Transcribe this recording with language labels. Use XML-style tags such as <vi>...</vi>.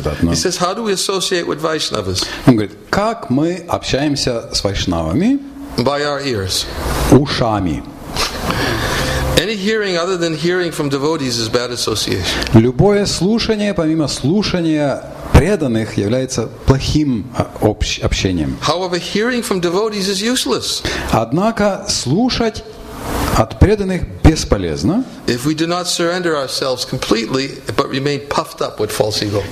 <en>He says, how do we associate with Vaishnavas?</en> <ru>Он говорит, как мы общаемся с Вайшнавами?</ru> <en>By our ears.</en> <ru>Ушами.</ru> <en>Any hearing other than hearing from devotees is bad association.</en> <ru>Любое слушание, помимо слушания преданных, является плохим общением.</ru> <en>However, hearing from devotees is useless.</en> <ru>Однако слушать от преданных бесполезно.</ru> <en>If we do not surrender ourselves completely, but remain puffed up with false ego.</en>